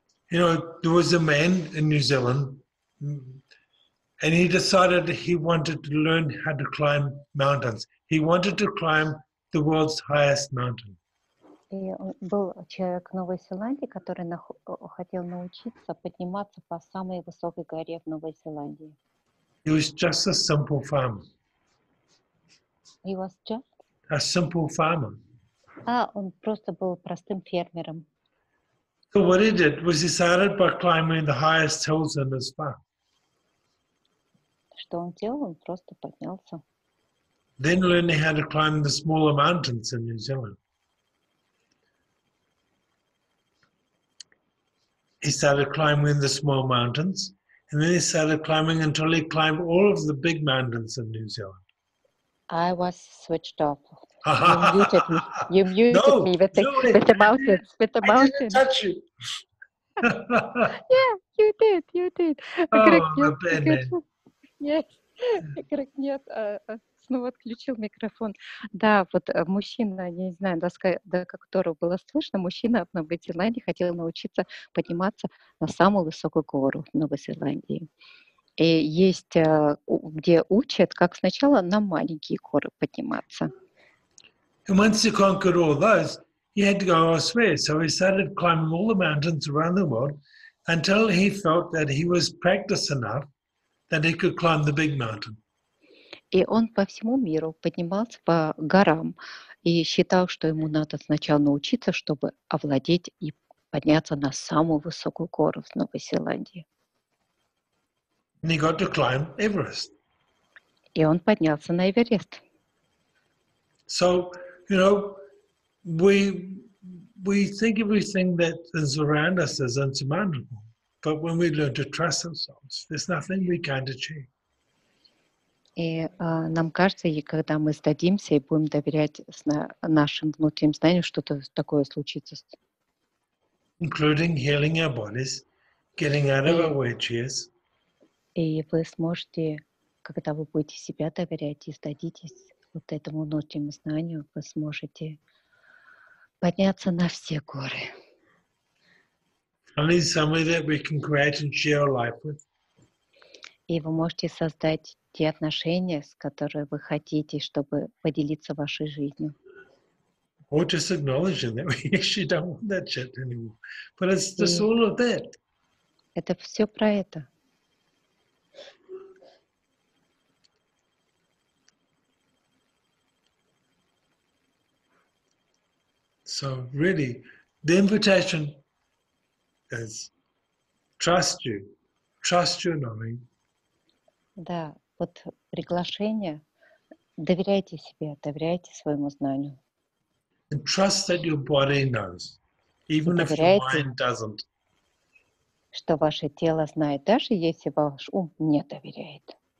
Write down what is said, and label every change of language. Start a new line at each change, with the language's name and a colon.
English: You know, there was a man in New Zealand, and he decided that he wanted to learn how to climb mountains. He wanted to climb the world's highest mountain.
Russian: И был человек в Новой Зеландии, который хотел научиться подниматься по самой высокой горе в Новой Зеландии.
English: He was just a simple farmer. He was just a simple farmer.
Russian: А он просто был простым фермером.
English: So what he did was he started by climbing the highest hills in his farm.
Russian: Что он делал? Он просто поднялся.
English: Then learning how to climb the smaller mountains in New Zealand. He started climbing the small mountains, and then he started climbing until he climbed all of the big mountains in New Zealand. I was switched off. You muted me. You muted me with the mountains. With the mountains. I didn't touch you. Yeah, you did. You did. Oh, my bad, man. Yes.
Russian: Снова отключил микрофон. Да, вот мужчина, не знаю, до которого было слышно, мужчина в Новой Зеландии хотел научиться подниматься на самую высокую гору в Новой Зеландии. И есть, где учат, как сначала на маленькие горы подниматься.
English: And once he conquered all those, he had to go elsewhere. So he started climbing all the mountains around the world until he felt that he was practiced enough that he could climb the big mountain.
Russian: И он по всему миру поднимался по горам и считал, что ему надо сначала научиться, чтобы овладеть и подняться на самую высокую гору в Новой Зеландии.
English: And he got to climb Everest.
Russian: И он поднялся на Эверест.
English: So, you know, we think everything that is around us is insurmountable, but when we learn to trust ourselves, there's nothing we can't achieve.
Russian: И нам кажется, и когда мы сдадимся и будем доверять нашим внутренним знаниям, что-то такое случится.
English: Including healing our bodies, getting out of our wheelchairs.
Russian: И вы сможете, когда вы будете себя доверять и сдадитесь вот этому внутреннему знанию, вы сможете подняться на все горы.
English: Only somebody that we can create and share our life with.
Russian: И вы можете создать те отношения, с которыми вы хотите, чтобы поделиться вашей жизнью.
English: Or just acknowledging that we actually don't want that shit anymore. But it's just all of that.
Russian: Это все про это.
English: So really, the invitation is trust your knowing.
Russian: Да, вот приглашение. Доверяйте себе, доверяйте своему знанию.
English: And trust that your body knows, even if your mind doesn't.
Russian: Что ваше тело знает, даже если ваш ум не доверяет.